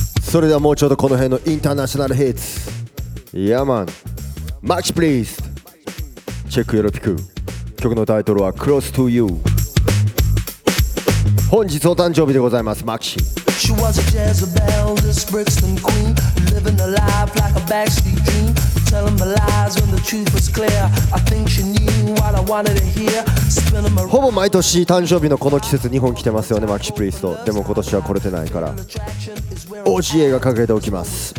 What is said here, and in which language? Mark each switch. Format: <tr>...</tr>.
<ja>それではもうちょっとこの辺のインターナショナルヒッツ、イヤマン、マッチプリーズ、チェックよろぴく。曲のタイトルは Close to You。本日お誕生日でございますマキシ。</ja> <en>She was a Jezebel, this Brixton queen, living a life like a backstreet dream, telling the lies when the truth was clear, I think she knew what I wanted to hear。</en> <ja>ほぼ毎年誕生日のこの季節日本来てますよね、マキシプリーズと。でも今年は来れてないからOGA がかけておきます。</ja>